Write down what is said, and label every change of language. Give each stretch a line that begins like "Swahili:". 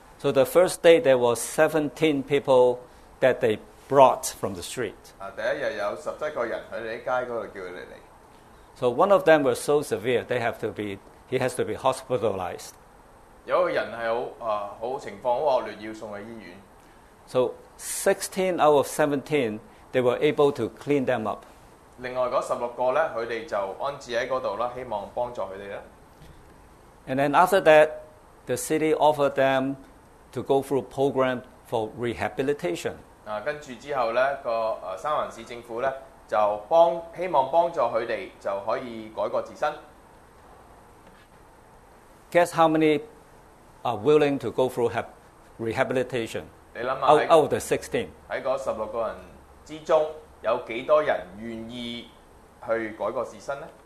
English: So the first day there were 17 people that they brought from the street.
Chinese: 第一天有17個人他們在街那裡叫他們來。
English: So one of them was so severe they have to be, he has to be hospitalized.
Chinese: 有一個人是很情況很惡劣要送去醫院。
English: So 16 out of 17 they were able to clean them up.
Chinese: 另外那16個呢，他們就安置在那裡，希望幫助他們。
English: And then after that the city offered them to go through a program for rehabilitation.
Chinese: 跟住之後呢，三藩市政府呢就希望幫助他們就可以改過自身。
English: Guess how manyare willing to go through rehabilitation.
Chinese: 你想想
English: out of the 16.
Chinese: 在那16個人之中有多少人願意去改過自身呢？